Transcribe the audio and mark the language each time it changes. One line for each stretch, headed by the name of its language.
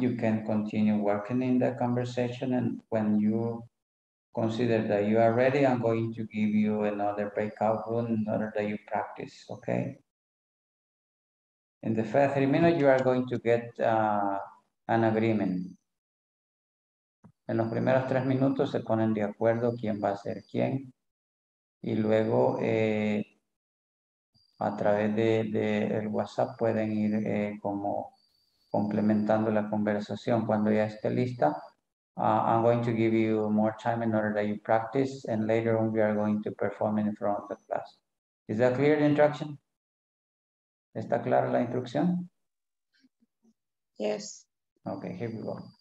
English: You can continue working in the conversation. And when you consider that you are ready, I'm going to give you another breakout room in order that you practice, okay? In the first 3 minutes, you are going to get an agreement.
Spanish: En los primeros 3 minutos, se ponen de acuerdo quién va a ser quién. Y luego, a través de el WhatsApp, pueden ir como complementando la conversación. Cuando ya esté lista,
English: I'm going to give you more time in order that you practice, and later on we are going to perform in front of the class. Is that clear, the instruction?
Spanish: ¿Está clara la instrucción?
English: Yes. Okay, here we go.